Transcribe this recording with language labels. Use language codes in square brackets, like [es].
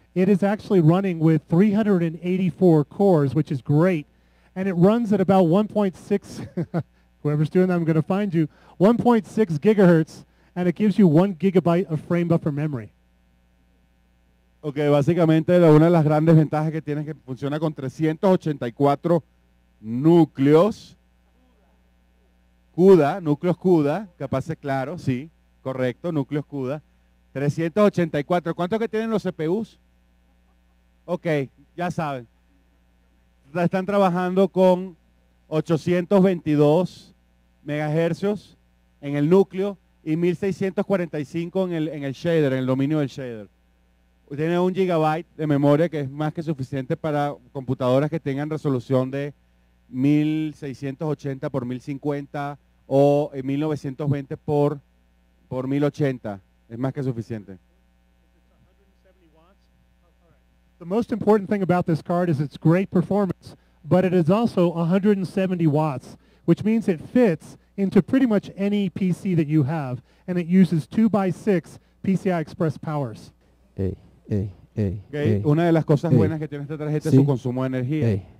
[en] It is actually running with 384 cores, which is great, and it runs at about 1.6, whoever's doing that, I'm going to find you, 1.6 gigahertz, and it gives you 1 gigabyte of frame buffer memory. [es] Okay, básicamente una de las grandes ventajas que tiene es que funciona con 384 núcleos, CUDA, núcleos CUDA, capaces, claro, sí, correcto, núcleos CUDA, 384. ¿Cuántos que tienen los CPUs? Ok, ya saben. Están trabajando con 822 megahercios en el núcleo y 1645 en el shader, en el dominio del shader. Tiene 1 gigabyte de memoria que es más que suficiente para computadoras que tengan resolución de 1680 por 1050 o 1920 por 1080. Es más que suficiente. [en] The most important thing about this card is its great performance, but it is also 170 watts, which means it fits into pretty much any PC that you have, and it uses 2x6 PCI Express powers. [es] Una de las cosas buenas que tiene esta tarjeta es su consumo de energía.